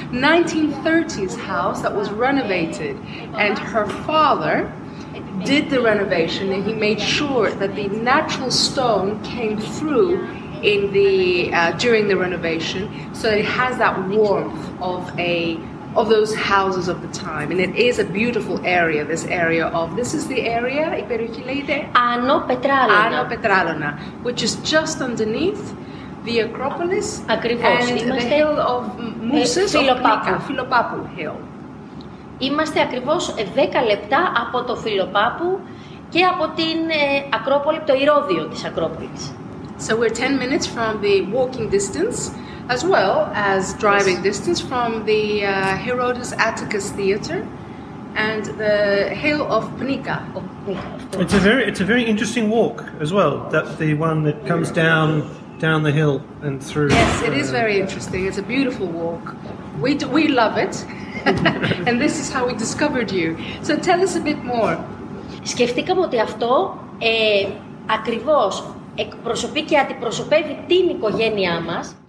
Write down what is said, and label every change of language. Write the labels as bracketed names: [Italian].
[English] 1930s house that was renovated, and her father did the renovation and he made sure that the natural stone came through in the during the renovation, so it has that warmth of those houses of the time, and it is a beautiful area. This is the area, Iperikileide? Ano Petralona, which is just underneath the Acropolis. [Greek] Ακριβώς. [English] And [Greek] είμαστε [English] the hill of Moses, [Greek] Φιλοπάπου [English] Hill. [Greek] Είμαστε ακριβώς 10 λεπτά από το Φιλοπάπου και από την Ακρόπολη, το ηρώδιο της Ακρόπολης. [English] So we're 10 minutes from the walking distance, as well as driving distance from the Herodotus Atticus Theatre and the Hill of Pnika. It's a very interesting walk as well, that the one that comes down the hill and through. Yes, it is very interesting. It's a beautiful walk. We love it. And this is how we discovered you. So tell us a bit more. [Greek] Σκεφτήκαμε ότι αυτό ακριβώς εκπροσωπεί και αντιπροσωπεύει την οικογένειά μας.